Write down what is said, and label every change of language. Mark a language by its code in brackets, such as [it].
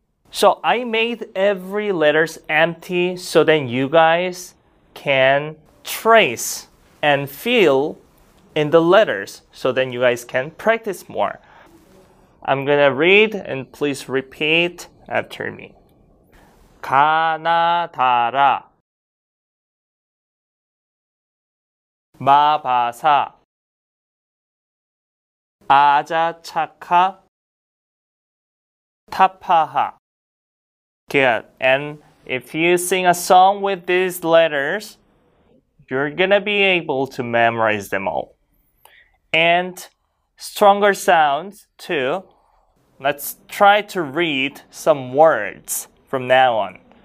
[en] So I made every letters empty so then you guys can trace and feel in the letters so then you guys can practice more. I'm gonna read and please repeat after me. [ko] 가나다라 마바사 아자차카 타파하. [en] Good. And if you sing a song with these letters, you're gonna be able to memorize them all. And stronger sounds too. Let's try to read some words from now on.